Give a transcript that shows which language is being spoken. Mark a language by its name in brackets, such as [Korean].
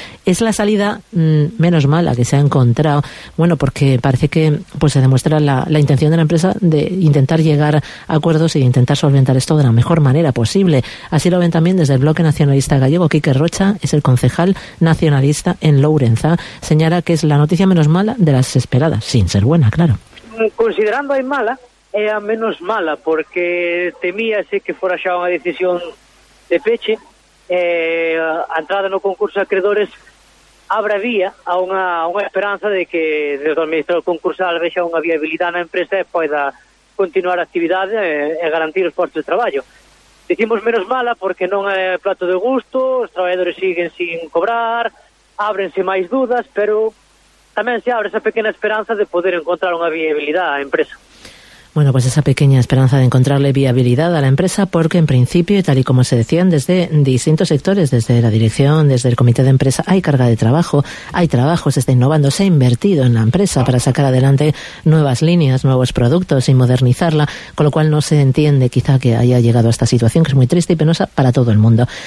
[Spanish] Es la salida menos mala que se ha encontrado, bueno, porque parece que pues se demuestra la intención de la empresa de intentar llegar a acuerdos y de intentar solventar esto de la mejor manera posible. Así lo ven también desde el Bloque Nacionalista Gallego. Quique Rocha es el concejal nacionalista en Lourenzá. Señala que es la noticia menos mala de las esperadas, sin ser buena, claro. [Galician] Considerando a mala, é a menos mala, porque temíase que fora xa unha decisión de peche. A entrada no concurso de acreedores abre vía a unha esperanza de que desde o administrador concursal vexa unha viabilidade na empresa e poida continuar a actividade e garantir os postos de traballo. Dicimos menos mala porque non é plato de gusto, os traballadores siguen sin cobrar, ábrense máis dudas, pero tamén se abre esa pequena esperanza de poder encontrar unha viabilidade á empresa. [Spanish] Bueno, pues esa pequeña esperanza de encontrarle viabilidad a la empresa, porque en principio, y tal y como se decían desde distintos sectores, desde la dirección, desde el comité de empresa, hay carga de trabajo, hay trabajo, se está innovando, se ha invertido en la empresa para sacar adelante nuevas líneas, nuevos productos y modernizarla, con lo cual no se entiende quizá que haya llegado a esta situación, que es muy triste y penosa para todo el mundo.